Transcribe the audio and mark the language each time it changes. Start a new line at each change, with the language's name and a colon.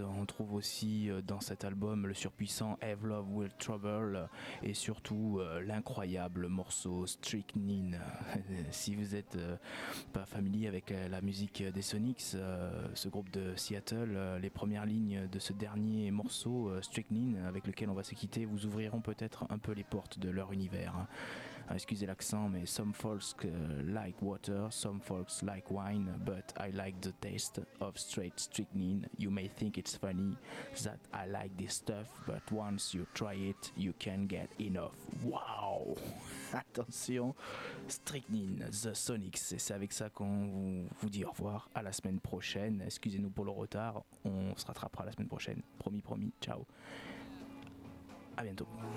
French: On trouve aussi dans cet album le surpuissant Have Love Will Trouble et surtout l'incroyable morceau Strychnine. Si vous n'êtes pas familier avec la musique des Sonics, ce groupe de Seattle, les premières lignes de ce dernier morceau Strychnine avec lequel on va se quitter vous ouvriront peut-être un peu les portes de leur univers. Excusez l'accent, mais
English: some folks like water, some folks like wine, but I like the taste of straight strychnine. You may think it's funny that I like this stuff, but once you try it, you can't get enough.
French: Wow! Attention, strychnine, The Sonics. Et c'est avec ça qu'on vous dit au revoir. À la semaine prochaine. Excusez-nous pour le retard. On se rattrapera la semaine prochaine. Promis, promis. Ciao. À bientôt.